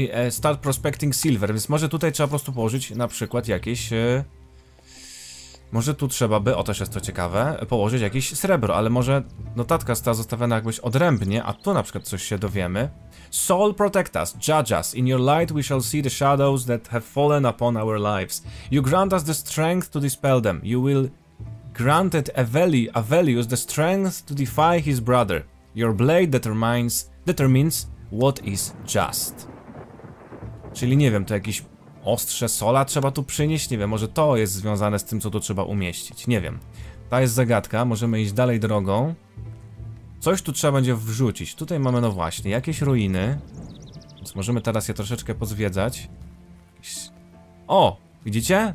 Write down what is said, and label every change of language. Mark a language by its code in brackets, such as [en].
[en] Start prospecting silver, [pl] więc może tutaj trzeba po prostu położyć na przykład jakieś... może tu trzeba by, o też jest to ciekawe, położyć jakieś srebro, ale może notatka została zostawiona jakbyś odrębnie, a tu na przykład coś się dowiemy. [en] Soul protect us, judge us, in your light we shall see the shadows that have fallen upon our lives. You grant us the strength to dispel them, you will... granted Avelius the strength to defy his brother. Your blade determines what is just. [pl] Czyli nie wiem, to jakieś ostrze sola trzeba tu przynieść? Nie wiem, może to jest związane z tym, co tu trzeba umieścić. Nie wiem. Ta jest zagadka, możemy iść dalej drogą. Coś tu trzeba będzie wrzucić. Tutaj mamy, no właśnie, jakieś ruiny. Więc możemy teraz je troszeczkę pozwiedzać. O! Widzicie?